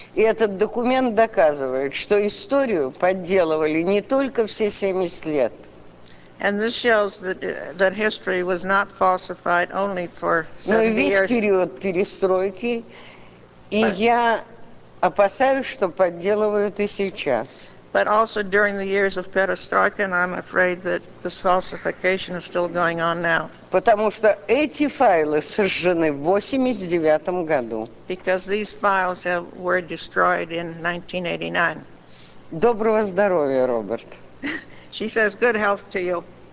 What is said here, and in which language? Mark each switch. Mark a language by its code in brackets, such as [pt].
[ru] И этот документ доказывает, что историю подделывали не только все 70 лет. [en] And this shows that history was not falsified only for 70 years. [ru] Но и весь период перестройки, и я опасаюсь, что подделывают и сейчас. [en] But also during the years of perestroika, and I'm afraid that this falsification is still going on now. [ru] Потому что эти файлы сожжены в 89 году. [en] Because these files were destroyed in 1989. [ru] Доброго здоровья, Роберт. [en] She says, good health to you.